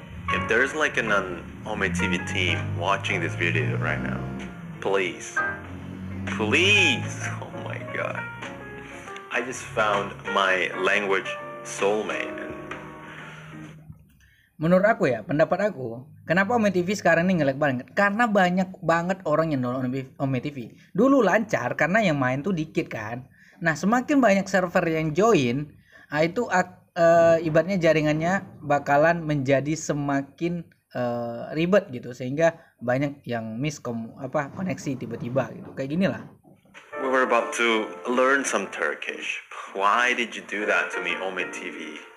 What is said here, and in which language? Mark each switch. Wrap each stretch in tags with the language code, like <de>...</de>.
<en>If there's like an Omi TV team watching this video right now, please. Please. Oh my god. I just found my language soulmate.</en> <id>Menurut aku ya, pendapat aku, kenapa Omi TV sekarang ini nge-lag banget? Karena banyak banget orang yang nonton Omi TV. Dulu lancar karena yang main tuh dikit kan. Nah, semakin banyak server yang join, itu ibaratnya jaringannya bakalan menjadi semakin ribet gitu. Sehingga banyak yang miss koneksi tiba-tiba gitu. Kayak ginilah.</id> <en>We were about to learn some Turkish. Why did you do that to me, Omi TV?</en>